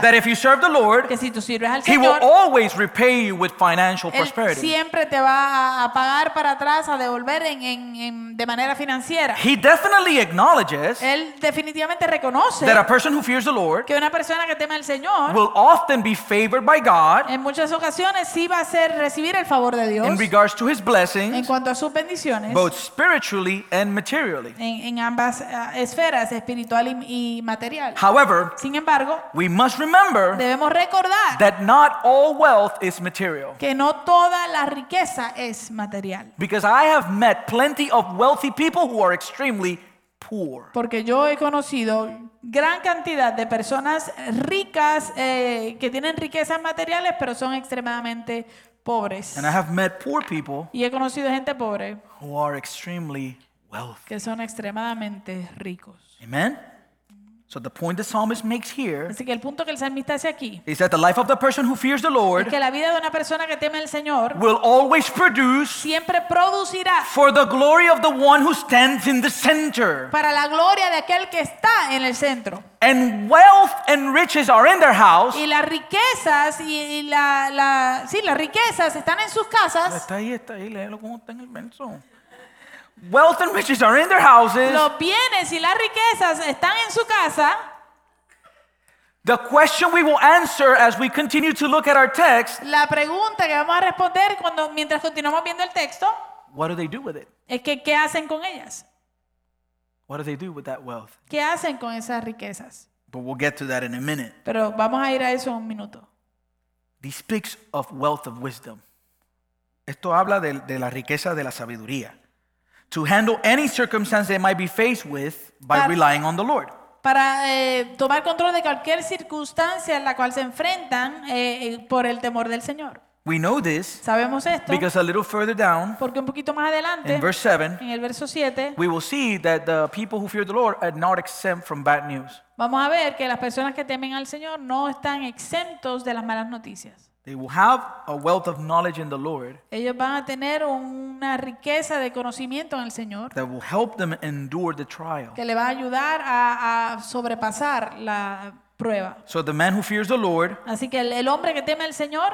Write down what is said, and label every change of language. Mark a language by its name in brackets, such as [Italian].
[English] That if you serve the Lord, [Spanish] que si tú sirves al Señor, [English] he will always repay you with financial prosperity. [Spanish] Él siempre te va a pagar para atrás, a devolver en de manera financiera. [English] He definitely acknowledges. [Spanish] Él definitivamente reconoce [English] that a person who fears the Lord, [Spanish] que una persona que teme al Señor, [English] will often be favored by God. [Spanish] En muchas ocasiones sí va a ser recibir el favor de Dios. [English] In regards to his blessings, [Spanish] en cuanto a sus bendiciones, [English] both spiritual truly and materially. [Spanish] En ambas esferas, espiritual y material. [English] However, [Spanish] sin embargo, [English] we must remember, [Spanish] debemos recordar, [English] that not all wealth is material. [Spanish] Que no toda la riqueza es material. [English] Because I have met plenty of wealthy people who are extremely poor. [Spanish] Porque yo he conocido gran cantidad de personas ricas que tienen riquezas materiales, pero son extremadamente pobres. [English] And I have met poor people. [Spanish] Y he conocido gente pobre. [English] Who are extremely wealthy. [Spanish] Que son extremadamente ricos. [English] Amen. So the point the psalmist makes here, [Spanish] así que el punto que el salmista hace aquí, [English] is that the life of the person who fears the Lord, [Spanish] es que la vida de una persona que teme al Señor, [English] will always produce, [Spanish] siempre producirá, [English] for the glory of the one who stands in the center, [Spanish] para la gloria de aquel que está en el centro. [English] And wealth and riches are in their house. [Spanish] Y las riquezas las riquezas están en sus casas. Está ahí, léelo como está en el menso. [English] Wealth and riches are in their houses. [Spanish] Los bienes y las riquezas están en su casa. [English] The question we will answer as we continue to look at our text. [Spanish] La pregunta que vamos a responder mientras continuamos viendo el texto. [English] What do they do with it? [Spanish] Es que ¿qué hacen con ellas? [English] What do they do with that wealth? [Spanish] ¿Qué hacen con esas riquezas? [English] But we'll get to that in a minute. [Spanish] Pero vamos a ir a eso en un minuto. [English] This speaks of wealth of wisdom. [Spanish] Esto habla de la riqueza de la sabiduría. [English] To handle any circumstance they might be faced with by relying on the Lord. [Spanish] Para tomar control de cualquier circunstancia en la cual se enfrentan por el temor del Señor. [English] We know this. [Spanish] Sabemos esto. [English] Because a little further down. [Spanish] Porque un poquito más adelante. [English] In verse 7. [Spanish] En el verso 7. [English] We will see that the people who fear the Lord are not exempt from bad news. [Spanish] Vamos a ver que las personas que temen al Señor no están exentos de las malas noticias. [English] They will have a wealth of knowledge in the Lord. [Spanish] Ellos van a tener una riqueza de conocimiento en el Señor. [English] That will help them endure the trial. [Spanish] Que le va a ayudar a sobrepasar la prueba. [English] So the man who fears the Lord. [Spanish] Así que el hombre que teme al Señor.